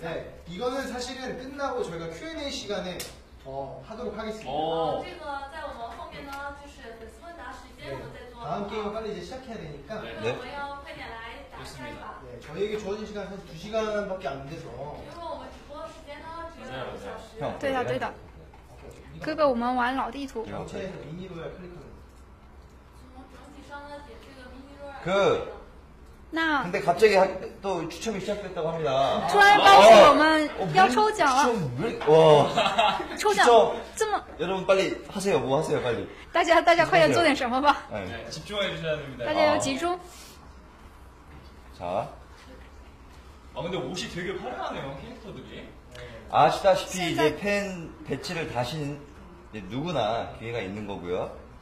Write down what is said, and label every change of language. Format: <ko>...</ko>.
<ko>네, 이거는 사실은 끝나고 저희가 Q&A 시간에 하도록 하겠습니다.</ko> <zh>어, 这个在我们后面呢就是粉丝问答时间我们再做</zh> <ko>다음 게임을 빨리 이제 시작해야 되니까.</ko> <zh>네. 我们要快点来打开吧.</zh> <ko>네, 저희에게 주어진 시간 사실 두 시간밖에 안 돼서.</ko> <zh>因为我们直播时间呢只有5小时。对的对的。哥哥，我们玩老地图。从整体上呢，点这个迷你路。那</zh> <ko>근데 갑자기 또 추첨이 시작됐다고 합니다.</ko> <zh>突然发现我们要抽奖了。추첨，哇！抽奖，这么。여러분</zh> <ko>빨리 하세요, 뭐 하세요, 빨리.</ko> <zh>大家快点做点什么吧。</zh> <ko>집중해 주셔야 됩니다.</ko> <zh>大家要集中。</zh> <ko>자. 아 근데 옷이 되게 화려하네요, 캐릭터들이. 아시다시피 이제 팬 배치를 다신 누구나 기회가 있는 거고요.</ko>